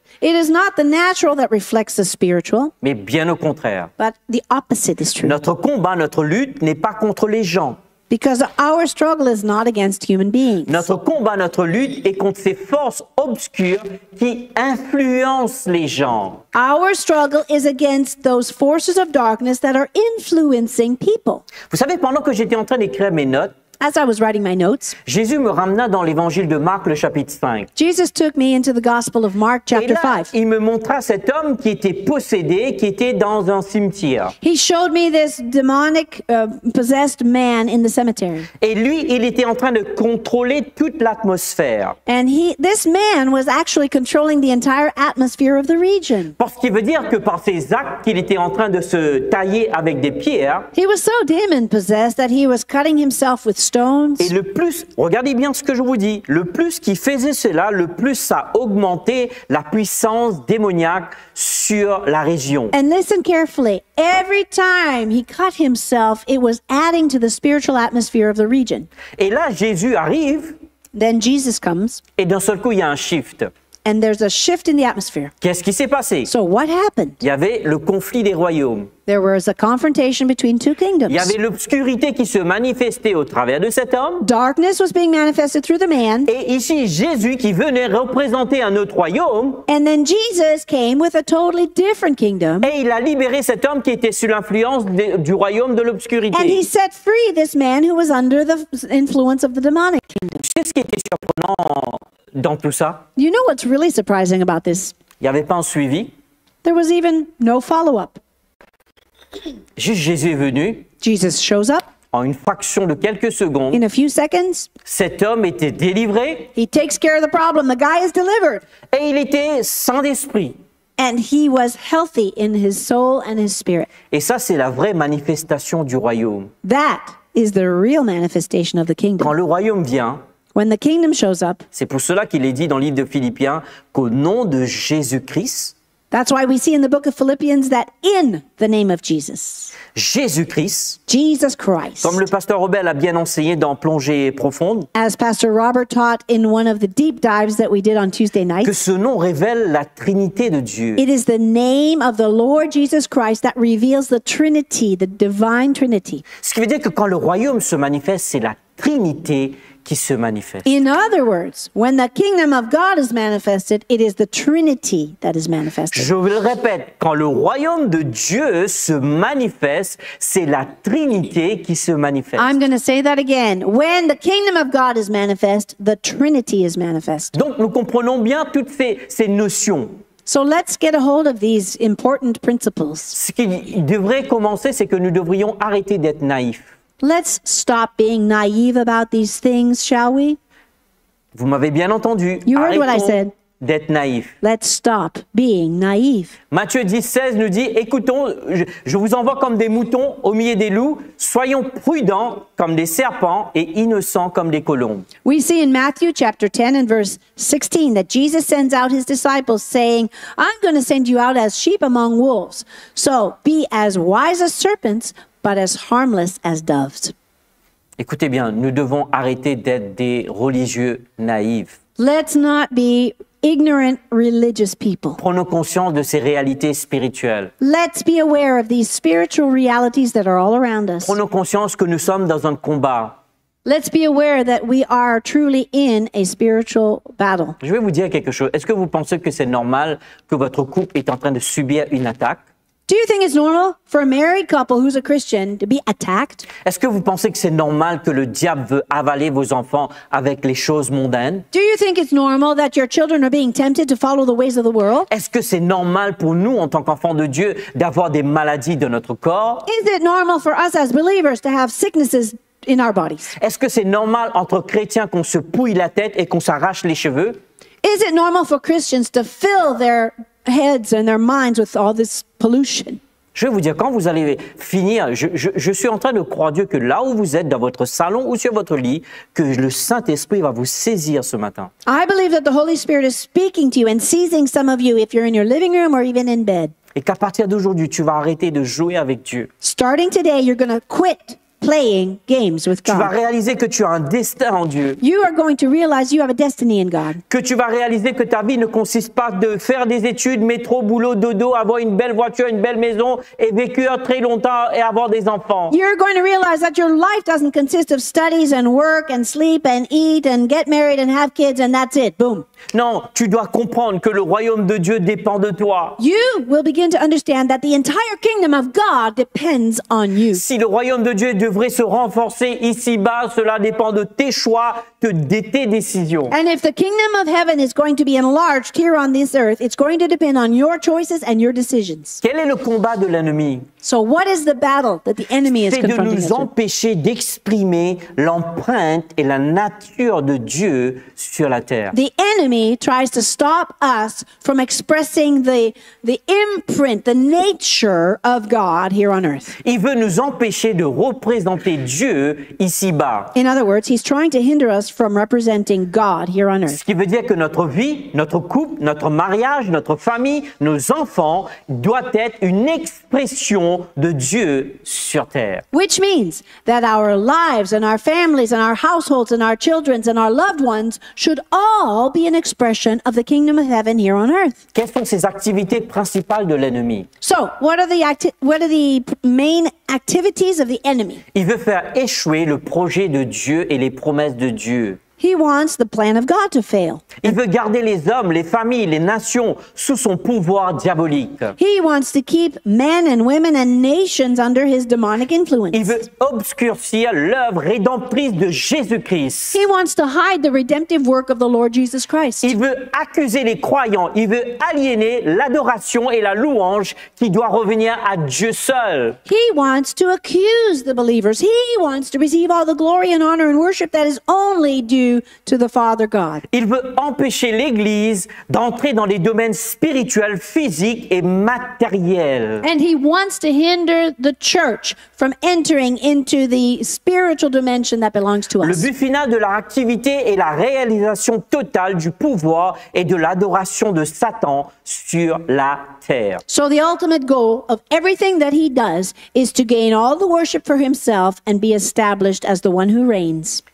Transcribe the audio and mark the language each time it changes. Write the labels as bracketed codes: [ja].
[en] It is not the natural that reflects the spiritual. [fr] Mais bien au contraire. [en] But the opposite is true. [fr] Notre combat, notre lutte n'est pas contre les gens. [en] Because our struggle is not against human beings. [fr] Notre combat, notre lutte est contre ces forces obscures qui influencent les gens. [en] Our struggle is against those forces of darkness that are influencing people. [fr] Vous savez, pendant que j'étais en train d'écrire mes notes, [en] as I was writing my notes, [fr] Jésus me ramena dans l'évangile de Marc, le chapitre 5. [en] Jesus took me into the gospel of Mark, chapter 5. [fr] Et là, il me montra cet homme qui était possédé, qui était dans un cimetière. [en] He showed me this demonic, possessed man in the cemetery. [fr] Et lui, il était en train de contrôler toute l'atmosphère. [en] And this man was actually controlling the entire atmosphere of the region. [fr] Parce qu'il veut dire que par ses actes, qu'il était en train de se tailler avec des pierres. [en] He was so demon possessed that he was cutting himself with stones. [fr] Et le plus, regardez bien ce que je vous dis, le plus qu'il faisait cela, le plus ça augmentait la puissance démoniaque sur la région. [en] And listen carefully, every time he cut himself, it was adding to the spiritual atmosphere of the region. [fr] Et là, Jésus arrive. [en] Then Jesus comes. [fr] Et d'un seul coup, il y a un shift. [en] And there's a shift in the atmosphere. [fr] Qu'est-ce qui s'est passé? [en] So what happened? [fr] Il y avait le conflit des royaumes. [en] There was a confrontation between two kingdoms. [fr] Il y avait l'obscurité qui se manifestait au travers de cet homme. [en] Darkness was being manifested through the man. [fr] Et ici, Jésus qui venait représenter un autre royaume. [en] And then Jesus came with a totally different kingdom. [fr] Et il a libéré cet homme qui était sous l'influence du royaume de l'obscurité. [en] And he set free this man who was under the influence of the demonic kingdom. [fr] C'est ce qui était surprenant dans tout ça. [en] You know what's really surprising about this? [fr] Il y avait pas un suivi. [en] There was even no follow-up. [fr] Juste Jésus est venu. [en] Jesus shows up. [fr] En une fraction de quelques secondes. [en] In a few seconds. [fr] Cet homme était délivré. [en] He takes care of the problem. The guy is delivered. [fr] Et il était sain d'esprit. [en] And he was healthy in his soul and his spirit. [fr] Et ça, c'est la vraie manifestation du royaume. [en] That is the real manifestation of the kingdom. [fr] Quand le royaume vient, [en] when the kingdom shows up, [fr] c'est pour cela qu'il est dit dans le livre de Philippiens qu'au nom de Jésus-Christ, [en] that's why we see in the book of Philippians that in the name of Jesus, [fr] Jésus-Christ, [en] Jesus Christ, [fr] comme le pasteur Robert a bien enseigné dans Plongée profonde, [en] as Pastor Robert taught in one of the deep dives that we did on Tuesday night, [fr] que ce nom révèle la Trinité de Dieu. [en] It is the name of the Lord Jesus Christ that reveals the Trinity, the divine Trinity. [fr] Ce qui veut dire que quand le royaume se manifeste, c'est la Trinité qui se manifeste. [en] In other words, when the kingdom of God is manifested, it is the Trinity that is manifested. [fr] Je vous le répète, quand le royaume de Dieu se manifeste, c'est la Trinité qui se manifeste. [en] I'm going to say that again. When the kingdom of God is manifest, the Trinity is manifest. [fr] Donc nous comprenons bien toutes ces notions. [en] So let's get a hold of these important principles. [fr] Ce qui devrait commencer, c'est que nous devrions arrêter d'être naïfs. [en] Let's stop being naive about these things, shall we? [fr] Vous m'avez bien entendu. [en] You heard what I said. [fr] d'être naïf. [en] Let's stop being naïf. [fr] Matthieu 16 nous dit, écoutons, je vous envoie comme des moutons au milieu des loups, soyons prudents comme des serpents et innocents comme des colombes. [en] We see in Matthew chapter 10 and verse 16 that Jesus sends out his disciples saying, I'm going to send you out as sheep among wolves. So be as wise as serpents, but as harmless as doves. [fr] Écoutez bien, nous devons arrêter d'être des religieux naïfs. [en] Let's not be ignorant religious people. [fr] Prenons conscience de ces réalités spirituelles. [en] Let's be aware of these spiritual realities that are all around us. [fr] Prenons conscience que nous sommes dans un combat. [en] Let's be aware that we are truly in a spiritual battle. [fr] Je vais vous dire quelque chose. Est-ce que vous pensez que c'est normal que votre couple est en train de subir une attaque? [en] Do you think it's normal for a married couple who's a Christian to be attacked? [fr] Est-ce que vous pensez que c'est normal que le diable veut avaler vos enfants avec les choses mondaines? [en] Do you think it's normal that your children are being tempted to follow the ways of the world? [fr] Est-ce que c'est normal pour nous en tant qu'enfants de Dieu d'avoir des maladies de notre corps? [en] Is it normal for us as believers to have sicknesses in our bodies? [fr] Est-ce que c'est normal entre chrétiens qu'on se pouille la tête et qu'on s'arrache les cheveux? [en] Is it normal for Christians to fill their heads and their minds with all this pollution? [fr] Je vais vous dire, quand vous allez finir, je suis en train de croire Dieu que là où vous êtes, dans votre salon ou sur votre lit, que le Saint-Esprit va vous saisir ce matin. [en] I believe that the Holy Spirit is speaking to you and seizing some of you if you're in your living room or even in bed. [fr] Et qu'à partir d'aujourd'hui, tu vas arrêter de jouer avec Dieu. [en] Starting today, you're going to quit playing games with God. [fr] Tu vas réaliser que tu as un destin en Dieu. [en] You are going to realize you have a destiny in God. [fr] Que tu vas réaliser que ta vie ne consiste pas de faire des études, métro, boulot, dodo, avoir une belle voiture, une belle maison et vécure très longtemps et avoir des enfants. [en] You're going to realize that your life doesn't consist of studies and work and sleep and eat and get married and have kids and that's it. Boom. [fr] Non, tu dois comprendre que le royaume de Dieu dépend de toi. [en] You will begin to understand that the entire kingdom of God depends on you. [fr] Si le royaume de Dieu devrait se renforcer ici-bas, cela dépend de tes choix, de tes décisions. [en] And if the kingdom of heaven is going to be enlarged here on this earth, it's going to depend on your choices and your decisions. [fr] Quel est le combat de l'ennemi? [en] So what is the battle that the enemy is confronting? [fr] C'est de nous empêcher d'exprimer l'empreinte et la nature de Dieu sur la terre. [en] The enemy tries to stop us from expressing the imprint, the nature of God here on earth. [fr] Il veut nous empêcher de représenter Dieu ici-bas. [en] In other words, he's trying to hinder us from representing God here on earth. [fr] Ce qui veut dire que notre vie, notre couple, notre mariage, notre famille, nos enfants doit être une expression de Dieu sur terre. [en] Which means that our lives and our families and our households and our children and our loved ones should all be an expression of the kingdom of heaven here on earth. [fr] Quelles sont ces activités principales de l'ennemi? [en] So, what are the main activities of the enemy? [fr] Il veut faire échouer le projet de Dieu et les promesses de Dieu. [en] He wants the plan of God to fail. [fr] Il veut garder les hommes, les familles, les nations sous son pouvoir diabolique. [en] He wants to keep men and women and nations under his demonic influence. [fr] Il veut obscurcir l'œuvre rédemptrice de Jésus-Christ. [en] He wants to hide the redemptive work of the Lord Jesus Christ. [fr] Il veut accuser les croyants. Il veut aliéner l'adoration et la louange qui doit revenir à Dieu seul. [en] He wants to accuse the believers. He wants to receive all the glory and honor and worship that is only due to the Father God. [fr] Il veut empêcher l'Église d'entrer dans les domaines spirituels, physiques et matériels. [en] And he wants to hinder the church from entering into the spiritual dimension that belongs to us. [fr] Le but final de leur activité est la réalisation totale du pouvoir et de l'adoration de Satan sur la terre. [en] So the ultimate goal of everything that he does is to gain all the worship for himself and be established as the one who reigns.